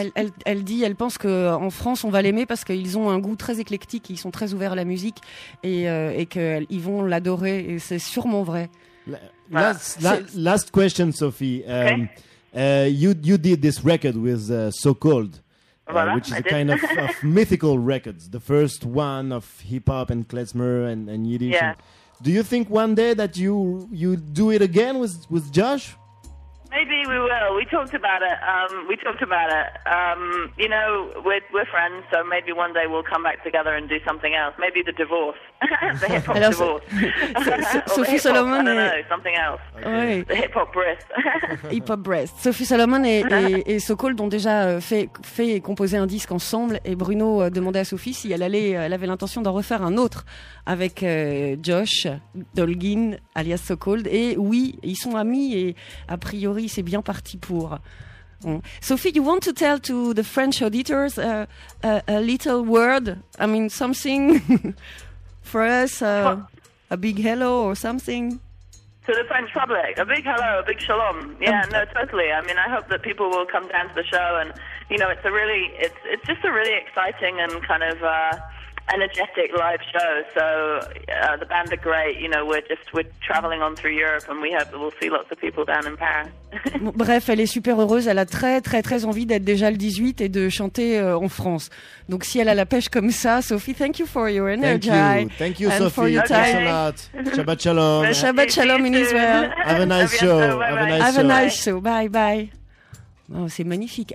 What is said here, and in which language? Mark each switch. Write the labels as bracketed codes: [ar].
[fr] Elle pense que en France on va l'aimer parce qu'ils ont un goût très éclectique, ils sont très ouverts à la musique et qu'ils vont l'adorer. Et c'est sûrement vrai. [en] Last question, Sophie. You did this record with So Cold, which is a kind of mythical record, the first one of hip hop and klezmer and Yiddish. Yeah. And do you think one day that you do it again with Josh? Maybe we will. We talked about it. We're friends, so maybe one day we'll come back together and do something else. Maybe the divorce. The hip-hop divorce. Sophie Solomon, I don't know, something else. Okay. Ouais. The hip-hop breast. Hip-hop breast. [fr] Sophie Solomon et So Cold ont déjà fait et composé un disque ensemble, et Bruno demandait à Sophie si elle avait l'intention d'en refaire un autre avec Josh Dolgin, alias So Cold. Et oui, ils sont amis et a priori c'est bien parti pour. [en] Sophie, you want to tell to the French auditors a little word? I mean, something for us, a big hello or something? To the French public, a big hello, a big shalom. Yeah, no, totally. I mean, I hope that people will come down to the show, and, it's just a really exciting and kind of energetic live show. So the band are great. We're traveling on through Europe, and we hope that we'll see lots of people down in Paris. [fr] Bref, elle est super heureuse. Elle a très, très, très envie d'être déjà le 18 et de chanter en France. Donc, si elle a la pêche comme ça, Sophie, [en] thank you for your energy. Thank you, Sophie. For your thank time. You so much. Shabbat shalom. Shabbat shalom in Israel. Have a nice show. Have a nice show. Bye bye. [fr] Oh, c'est magnifique.